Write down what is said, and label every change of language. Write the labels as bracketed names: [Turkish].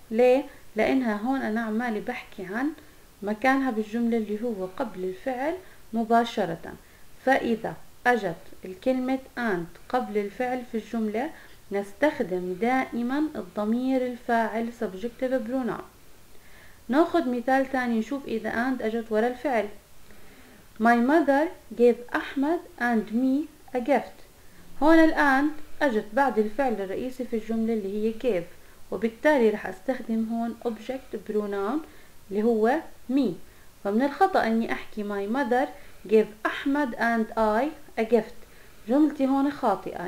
[Arabic] ليه؟ لأنها هون أنا عمالي بحكي عن مكانها بالجملة اللي هو قبل الفعل مباشرة. فإذا أجت الكلمة and قبل الفعل في الجملة، نستخدم دائما الضمير الفاعل [English] subjective pronoun. [Arabic] نأخذ مثال ثاني نشوف إذا and أجت وراء الفعل. [English] My mother gave أحمد and me a gift. [Arabic] هون الand أجت بعد الفعل الرئيسي في الجملة اللي هي gave، وبالتالي رح أستخدم هون [English] object pronoun [Arabic] اللي هو me. فمن الخطأ أني أحكي [English] my mother gave أحمد and I a gift، [Arabic] جملتي هون خاطئة.